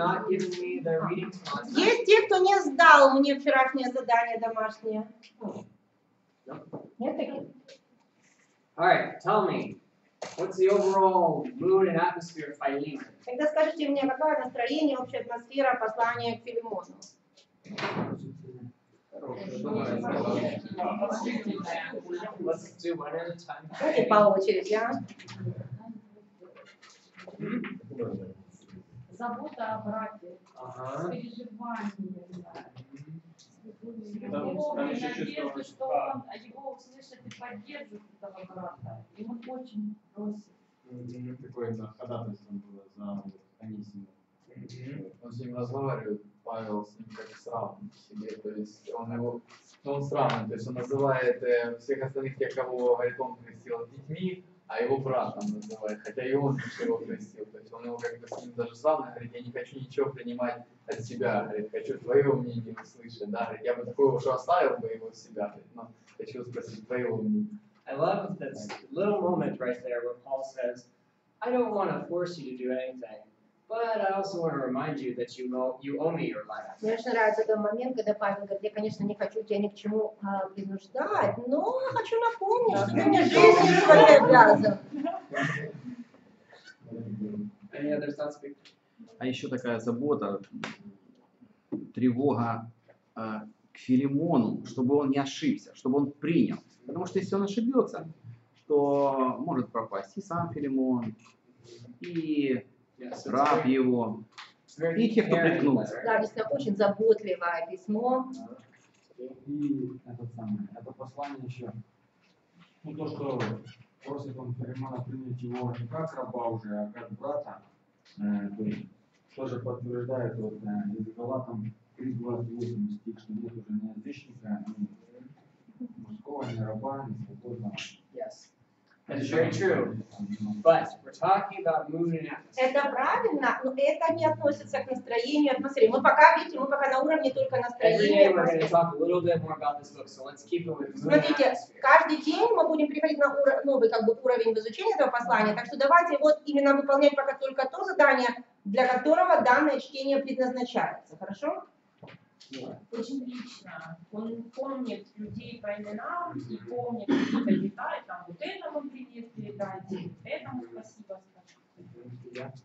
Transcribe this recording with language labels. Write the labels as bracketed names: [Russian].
[Russian] Есть те, кто не сдал мне вчерашнее задание домашнее? Нет таких? [English] All right, tell me, what's the overall mood and atmosphere of Philemon? [Russian] Тогда скажите мне, какое настроение, общая атмосфера послания к Филимону? Давайте по очереди, а? Забота о брате, переживания, надежда, что он его услышит и поддержит этого брата. И он очень просит. Такое ходатайство было за Анисима. Он с ним разговаривает. Павел с ним как сравнен себе, то есть он его, ну он сравнен, то есть он называет всех остальных тех, кого говорит, он крестил детьми, а его братом называет, хотя и он ничего крестил, то есть он его как бы с ним даже сравнен, говорит, я не хочу ничего принимать от себя, говорит, хочу твое мнение услышать, да, говорит, я бы такое уже оставил бы его себя, говорит, но хочу спросить твоего мнения. [English] I love this little moment right there where Paul says, I don't want to force you to do anything. But I also want to remind you that you owe me your life. [Russian] Мне очень нравится тот момент, когда Павел говорит, я, конечно, не хочу тебя ни к чему принуждать, но хочу напомнить, что ты мне жизнь не обязан. [English] Any other thoughts, Victor? [Russian] А еще такая забота, тревога к Филимону, чтобы он не ошибся, чтобы он принял. Потому что если он ошибется, то может пропасть и сам Филимон, и... Раб его. И те, кто приткнулся. Да, действительно, очень заботливое письмо. И это самое, это послание еще. Ну, то, что просит он Филимона принять его не как раба уже, а как брата. Тоже подтверждает вот Галатам 3:28 стих, что нет уже ни язычника, ни мужского, ни раба, ни свободного. [English] Yes. That is very true, but we're talking about mood and atmosphere. [Russian] Это правильно, но это не относится к настроению, атмосфере. Мы пока, видите, мы пока на уровне только настроения. [English] Every day we're going to talk a little bit more about this book, so let's keep it with mood and atmosphere. [Russian] Смотрите, каждый день мы будем приходить на новый как бы уровень в изучении этого послания, так что давайте вот именно выполнять пока только то задание, для которого данное чтение предназначается, хорошо? Очень лично. Он помнит людей по именам и помнит какие-то детали, там вот этому привет передайте, этому спасибо скажите.